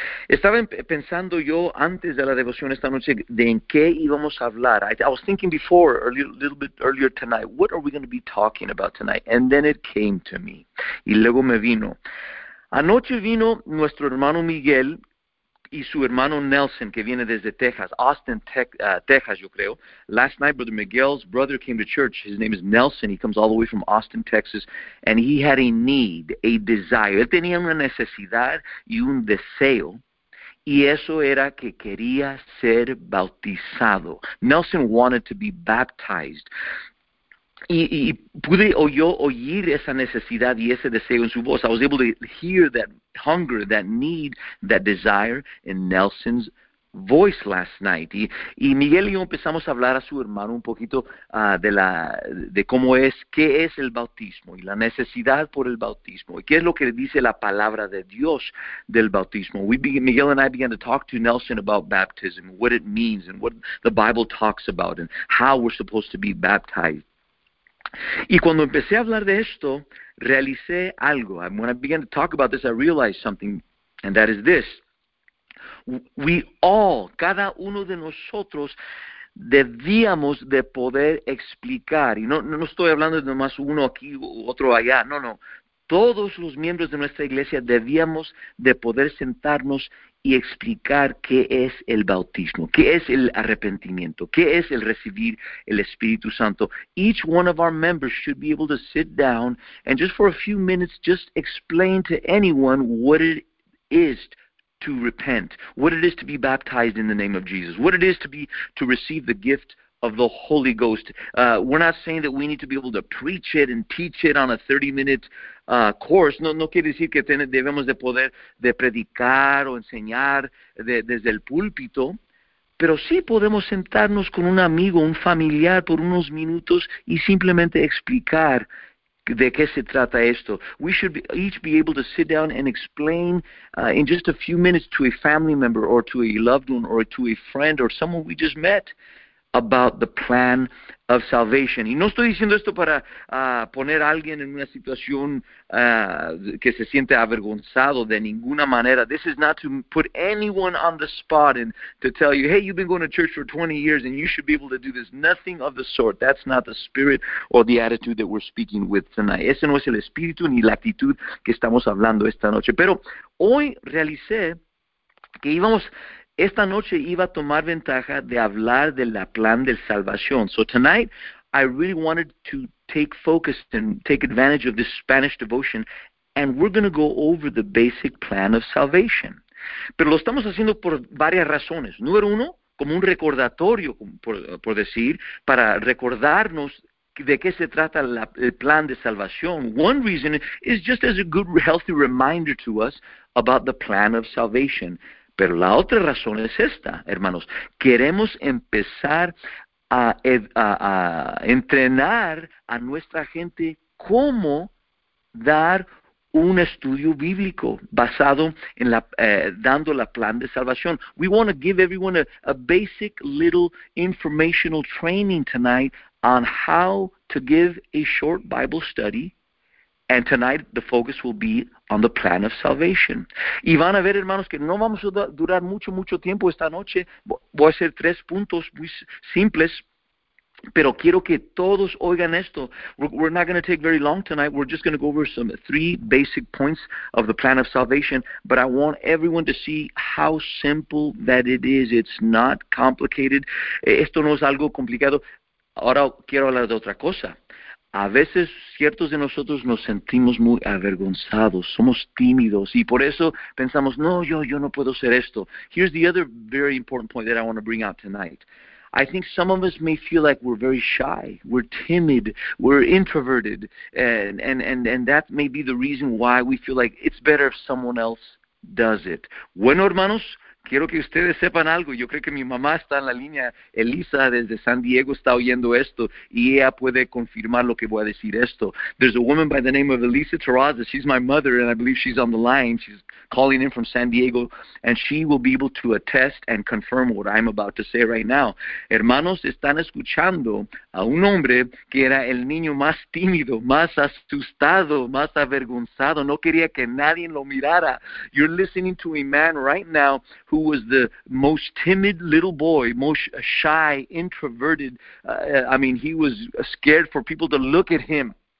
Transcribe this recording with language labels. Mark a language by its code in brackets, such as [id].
[es] Estaba pensando yo antes de la devoción esta noche de en qué íbamos a hablar. [en] I was thinking before, a little bit earlier tonight, what are we going to be talking about tonight? And then it came to me. [es] Y luego me vino. Anoche vino nuestro hermano Miguel y su hermano Nelson, que viene desde Texas, Austin, Texas, yo creo. [en] Last night, Brother Miguel's brother came to church. His name is Nelson. He comes all the way from Austin, Texas. And he had a need, a desire. [es] Él tenía una necesidad y un deseo. Y eso era que quería ser bautizado. [en] Nelson wanted to be baptized. [es] Y pude yo oír esa necesidad y ese deseo en su voz. [en] I was able to hear that hunger, that need, that desire in Nelson's voice last night. [es] Y Miguel y yo empezamos a hablar a su hermano un poquito de cómo es, qué es el bautismo y la necesidad por el bautismo y qué es lo que dice la palabra de Dios del bautismo. [en] Miguel and I began to talk to Nelson about baptism, what it means and what the Bible talks about and how we're supposed to be baptized. [es] Y cuando empecé a hablar de esto, realicé algo. [en] And when I began to talk about this, I realized something, and that is this. We all, [es] cada uno de nosotros, debíamos de poder explicar. Y no estoy hablando de nomás uno aquí u otro allá. No, no. Todos los miembros de nuestra iglesia debíamos de poder sentarnos y explicar qué es el bautismo, qué es el arrepentimiento, qué es el recibir el Espíritu Santo. [en] Each one of our members should be able to sit down and just for a few minutes just explain to anyone what it is to repent, what it is to be baptized in the name of Jesus, what it is to be to receive the gift of the Holy Ghost. We're not saying that we need to be able to preach it and teach it on a 30-minute course. [es] No quiere decir que debemos de poder de predicar o enseñar desde el púlpito, pero sí podemos sentarnos con un amigo, un familiar por unos minutos y simplemente explicar de qué se trata esto. [en] We should each be able to sit down and explain in just a few minutes to a family member or to a loved one or to a friend or someone we just met about the plan of salvation. [es] Y no estoy diciendo esto para poner a alguien en una situación que se siente avergonzado de ninguna manera. [en] This is not to put anyone on the spot and to tell you, hey, you've been going to church for 20 years and you should be able to do this. Nothing of the sort. That's not the spirit or the attitude that we're speaking with tonight. [es] Ese no es el espíritu ni la actitud que estamos hablando esta noche. Pero hoy realicé que íbamos. Esta noche iba a tomar ventaja de hablar de la plan de salvación. [en] So tonight, I really wanted to take focus and take advantage of this Spanish devotion, and we're going to go over the basic plan of salvation. [es] Pero lo estamos haciendo por varias razones. Número uno, como un recordatorio, por decir, para recordarnos de qué se trata el plan de salvación. [en] One reason is just as a good, healthy reminder to us about the plan of salvation. [es] Pero la otra razón es esta, hermanos. Queremos empezar a entrenar a nuestra gente cómo dar un estudio bíblico basado en dando la plan de salvación. [en] We want to give everyone a basic little informational training tonight on how to give a short Bible study. And tonight the focus will be on the plan of salvation. [es] Y van a ver, hermanos, que no vamos a durar mucho, mucho tiempo esta noche. Voy a hacer tres puntos muy simples, pero quiero que todos oigan esto. [en] We're not going to take very long tonight. We're just going to go over some three basic points of the plan of salvation. But I want everyone to see how simple that it is. It's not complicated. [es] Esto no es algo complicado. Ahora quiero hablar de otra cosa. A veces ciertos de nosotros nos sentimos muy avergonzados, somos tímidos y por eso pensamos, no, yo no puedo hacer esto. [en] Here's the other very important point that I want to bring out tonight. I think some of us may feel like we're very shy, we're timid, we're introverted, and that may be the reason why we feel like it's better if someone else does it. [es] Bueno, hermanos, Quiero que ustedes sepan algo. Yo creo que mi mamá está en la línea. Elisa desde San Diego está oyendo esto y ella puede confirmar lo que voy a decir esto. [en] There's a woman by the name of Elisa Terraza. She's my mother, and I believe she's on the line. She's calling in from San Diego, and she will be able to attest and confirm what I'm about to say right now. [es] Hermanos, están escuchando a un hombre que era el niño más tímido, más asustado, más avergonzado. No quería que nadie lo mirara. [en] You're listening to a man right now who was the most timid little boy, most shy, introverted. He was scared for people to look at him.